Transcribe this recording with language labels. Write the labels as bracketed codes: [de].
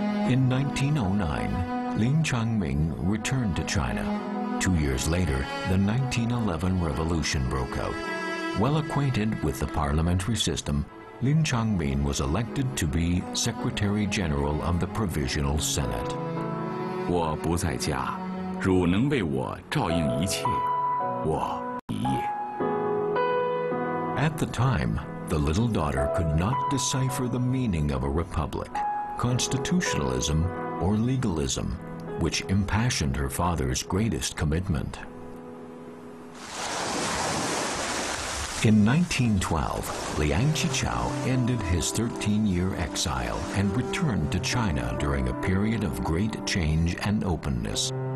[en] In 1909, Lin Changming returned to China. 2 years later, the 1911 revolution broke out. Well acquainted with the parliamentary system, Lin Changming was elected to be Secretary General of the Provisional Senate. [zh] 我不在家, 汝能为我照应一切, 我一夜。 [en] At the time, the little daughter could not decipher the meaning of a republic, constitutionalism, or legalism, which impassioned her father's greatest commitment. In 1912, Liang Sicheng ended his 13-year exile and returned to China during a period of great change and openness.